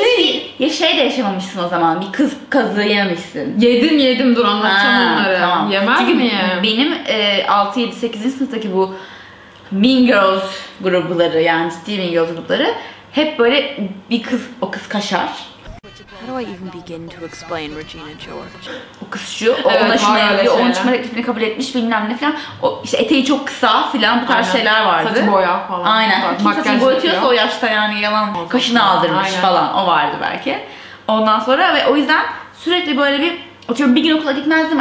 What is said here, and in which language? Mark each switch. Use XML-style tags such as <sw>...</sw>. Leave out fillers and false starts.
<tr>hiç bir şey de yaşamamışsın o zaman. Bir kız kazığı yememişsin. Yedim dur anlatacağım onları. Tamam. Yemez çünkü miyim? Benim 6-7-8. Sınıftaki bu Mean Girls grupları yani ciddi Mean Girls grupları hep böyle bir kız, o kız kaşar.</tr> <en>How do I even begin to explain Regina George?</en> <tr>O kız şu, onunla evet, şuna yapıyor, onun çıkma teklifini kabul etmiş bilmem ne filan. O işte eteği çok kısa filan bu tarz aynen. Şeyler vardı. Saçı boya falan. Aynen. Kim saçını boyatıyorsa o yaşta yani yalan. O kaşını zaman. Aldırmış aynen. Falan o vardı belki. Ondan sonra ve o yüzden sürekli böyle bir atıyorum bir gün okula gitmezdim.</tr>